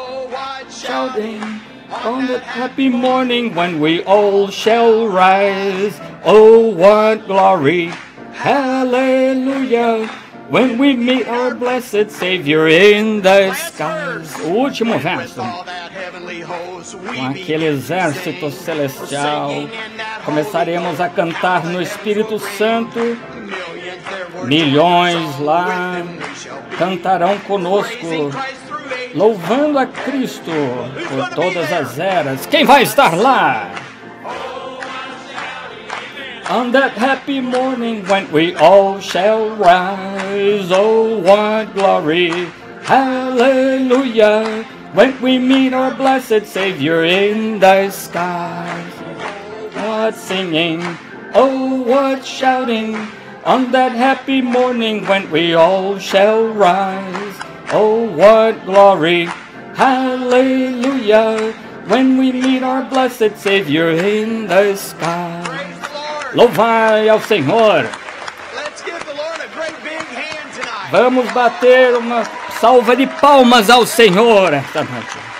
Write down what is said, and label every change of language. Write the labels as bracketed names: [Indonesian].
[English] On that happy morning when we all shall rise. Oh, what glory, hallelujah, when we meet our blessed Savior in the skies. [Portuguese] O último verso. Com aquele exército celestial, começaremos a cantar no Espírito Santo. Milhões lá cantarão conosco, louvando a Cristo por todas as eras. Quem vai estar lá? [English] On that happy morning when we all shall rise. Oh, what glory, hallelujah, when we meet our blessed Savior in the skies. What singing, oh, what shouting, on that happy morning when we all shall rise. Oh, what glory, hallelujah, when we meet our blessed Savior in the sky. [Portuguese] Louvai ao Senhor! [English] Let's give the Lord a great big hand tonight. [Portuguese] Vamos bater uma salva de palmas ao Senhor esta noite.